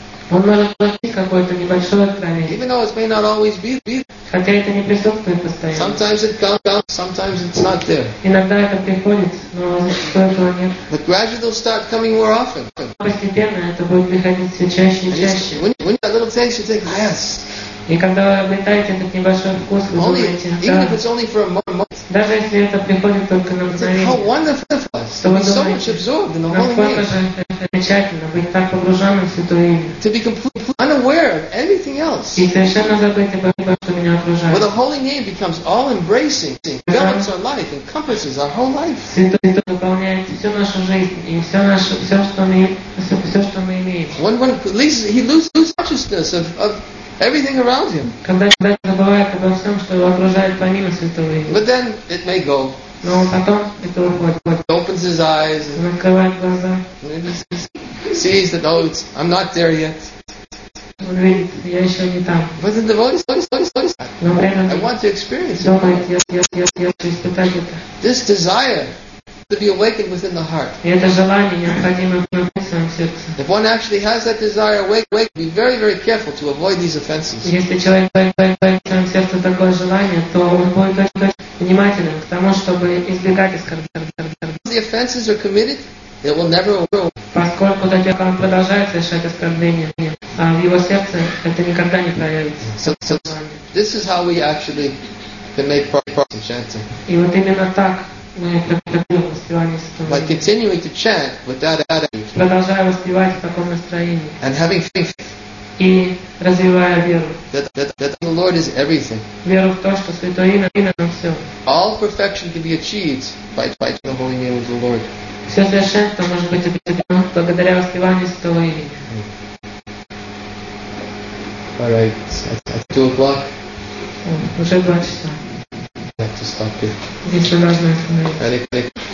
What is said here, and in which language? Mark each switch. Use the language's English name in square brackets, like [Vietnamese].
[Russian] Он может получить какое-то небольшое откровение. [English] Even though it may not always be. [Russian] Хотя это не присутствует постоянно. [English] Sometimes it comes, sometimes it's not there. [Russian] Иногда это приходит, но зачастую этого нет. [English] But gradually it'll start coming more often. [Russian] Постепенно это будет приходить все чаще и чаще. [English] When you have a little taste, you think, yes. [Russian] И когда вы обретаете этот небольшой вкус, вы думаете, да. [English] Even if it's only for a moment. [Russian] Даже если это приходит только на мгновение. [English] How wonderful for us. [Russian] Что вы думаете? [English] So much absorbed in the holy name. [Russian] Замечательно, быть так погруженным в Святое Имя. [English] To be completely unaware of anything else. [Russian] И совершенно забыть обо всем, что меня окружает. [English] Where the holy name becomes all embracing, envelops our life, encompasses our whole life. [Russian] Святое Имя наполняет всю нашу жизнь и все, что мы имеем. [English] When he loses consciousness of everything around him. [Russian] Когда человек забывает обо всем, что его окружает помимо Святого Имя. [English] But then it may go. [Russian] Но потом это уходит. [English] He opens his eyes. [Russian] Он открывает глаза. [English] Sees that, oh, I'm not there yet. [Russian] Он видит, я еще не там. [English] But the devotee says, I want to experience it. [Russian] Я хочу испытать это. [English] This desire to be awakened within the heart. [Russian] И это желание необходимо внутри своего сердца. [English] If one actually has that desire, awake, be very, very careful to avoid these offenses. [Russian] Если человек имеет в своем сердце такое желание, то он будет очень внимательным к тому, чтобы избегать оскорблений. [English] The offenses are committed, it will never grow. [Russian] Поскольку до тех, как он продолжает совершать оскорбления, а в его сердце это никогда не проявится. [English] So this is how we actually can make progress in chanting. [Russian] И вот именно так мы проявляем воспевание святого. [English] By continuing to chant with that attitude. [Russian] Продолжая воспевать в таком настроении. [English] And having faith. [Russian] И развивая веру. [English] That the Lord is everything. [Russian] Веру в то, что Святое Имя – это все. [English] All perfection can be achieved by chanting the holy name of the Lord. [Russian] Все совершенство может быть обретено благодаря воспеванию Святого Имени. [English] All right, at 2:00. [Russian] Уже 2 часа. [English] We have to stop here. [Russian] Здесь мы должны остановиться.